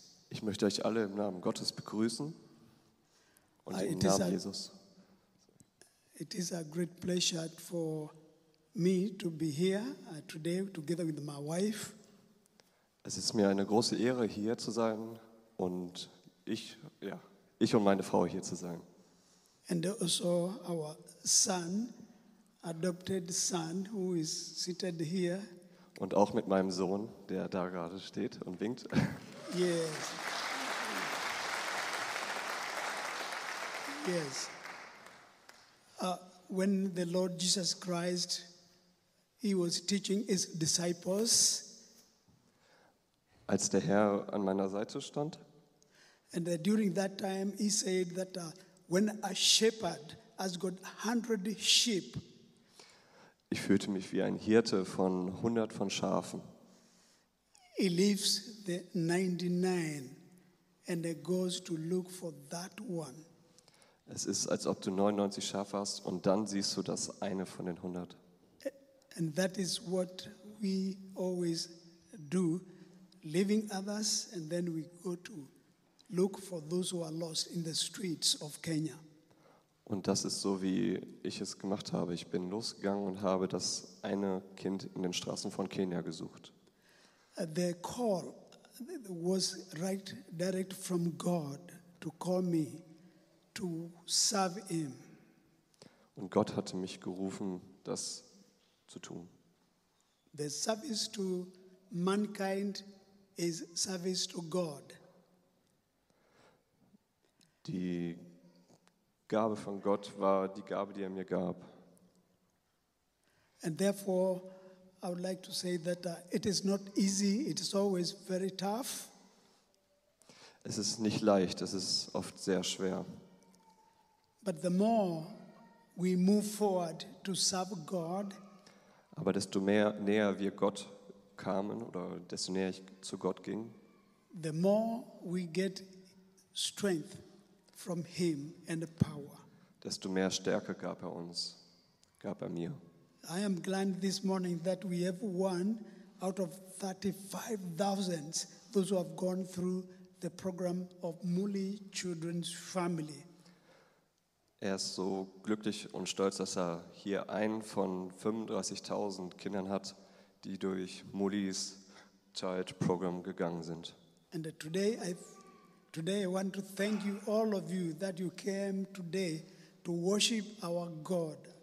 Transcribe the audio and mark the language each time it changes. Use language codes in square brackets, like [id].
[de] Ich möchte euch alle im Namen Gottes begrüßen und im Namen Jesus. [en] It is a great pleasure for me to be here today together with my wife. [de] Es ist mir eine große Ehre hier zu sein und ich und meine Frau hier zu sein. [en] And also our son. Adopted son who is seated here. [de] Und auch mit meinem Sohn, der da gerade steht und winkt. [en] Yes. Yes. When the Lord Jesus Christ, he was teaching his disciples, [de] als der Herr an meiner Seite stand. [en] And during that time he said that when a shepherd has got 100 sheep. [de] Ich fühlte mich wie ein Hirte von 100 von Schafen. [en] He leaves the 99 and he goes to look for that one. [de] Es ist, als ob du 99 Schafe hast und dann siehst du das eine von den 100. [en] And that is what we always do, leaving others and then we go to look for those who are lost in the streets of Kenya. [de] Und das ist so, wie ich es gemacht habe. Ich bin losgegangen und habe das eine Kind in den Straßen von Kenia gesucht. [en] The call was right direct from God to call me to serve him. [de] Und Gott hatte mich gerufen, das zu tun. [en] The service to mankind is service to God. [de] Die Gabe von Gott war die Gabe, die er mir gab. [en] And therefore I would like to say that it is not easy, it is always very tough. [de] Es ist nicht leicht, es ist oft sehr schwer. [en] But the more we move forward to serve God, [de] aber desto mehr näher wir Gott kamen oder desto näher ich zu Gott ging, [en] the more we get strength from him and power, [de] desto mehr Stärke gab er uns, gab er mir. [en] I am glad this morning that we have one out of 35,000 those who have gone through the program of Muli Children's Family. [de] Er ist so glücklich und stolz, dass er hier einen von 35,000 Kindern hat, die durch Muli's Child Program gegangen sind. [en] And today I want to thank you all of you that you came today to worship our God.